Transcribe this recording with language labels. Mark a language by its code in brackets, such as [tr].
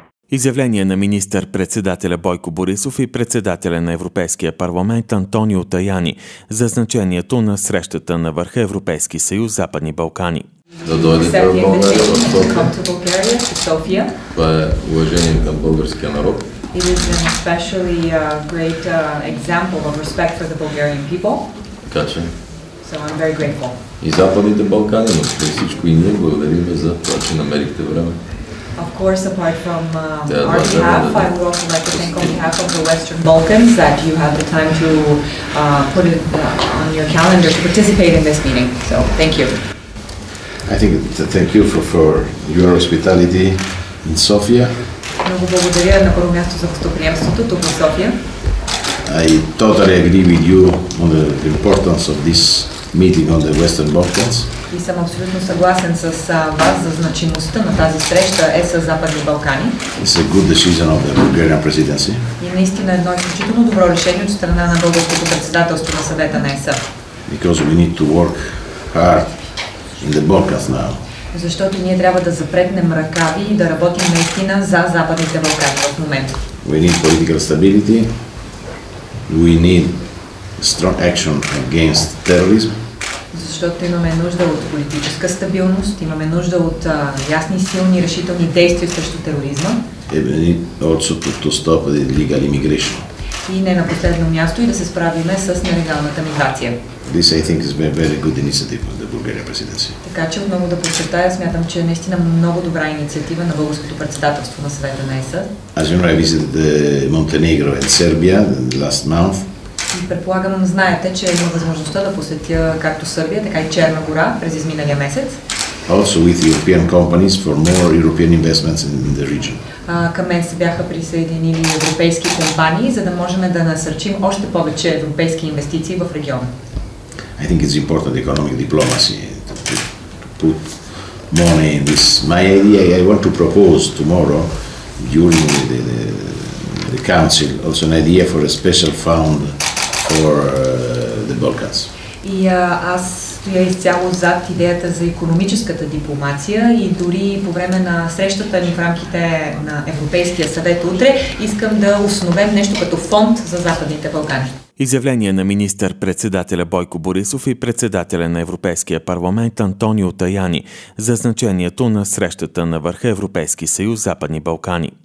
[bg] Изявление на министър-председателя Бойко Борисов и председателя на Европейския парламент Антонио Таяни за значението на срещата на върха Европейски съюз Западни Балкани. Да дойдете в България, в София. Това е уважение към българския народ. [en] It is an especially great example of respect for the Bulgarian people. [bg] Така че. [en] So I'm very grateful. [bg] И Западните Балкани, но при всичко и ние благодарим за това, че намерихте време. [en] Of course, apart from our behalf, I would also like to thank on behalf of the Western Balkans that you have the time to put it on your calendar to participate in this meeting. So, thank you. I think thank you for your hospitality in Sofia. [bg] Много благодаря на първо място за гостоприемството тук в София. [en] I totally agree with you on the importance of this meeting on the Western Balkans. [bg] И съм абсолютно съгласен с вас за значимостта на тази среща е с Западни Балкани. [en] It's a good decision of the Bulgarian presidency. [bg] И наистина едно изключително добро решение от страна на българското председателство на съвета на ЕС. [en] Because we need to work hard in the Balkans now. [bg] Защото ние трябва да запретнем ръкави и да работим наистина за Западните Балкани в момента. [en] We need political stability. We need strong action against terrorism. [bg] Защото имаме нужда от политическа стабилност, имаме нужда от ясни, силни, решителни действия срещу тероризма. [en] We need also to stop the illegal immigration. [bg] И не на последно място и да се справиме с нелегалната миграция. [en] This I think is a very good initiative of the Bulgarian presidency. [bg] Така че отново да подчертая, смятам, че е наистина много добра инициатива на българското председателство на съвета на ЕС. [en] As you know, I visited Montenegro and Serbia last month. [bg] И предполагам, знаете, че има възможността да посетя както Сърбия, така и Черна гора през изминалия месец. [en] Also with European companies for more European investments in the region. [bg] Към мен се бяха присъединили европейски компании, за да можем да насърчим още повече европейски инвестиции в региона. [en] I think it's important economic diplomacy to put money in this. My idea, I want to propose tomorrow during the council also an idea for a special fund for the Balkans. [bg] И аз стоя изцяло зад идеята за икономическата дипломация и дори по време на срещата ни в рамките на Европейския съвет утре искам да основем нещо като фонд за Западните Балкани. Изявление на министър-председателя Бойко Борисов и председателя на Европейския парламент Антонио Таяни за значението на срещата на върха Европейски съюз Западни Балкани.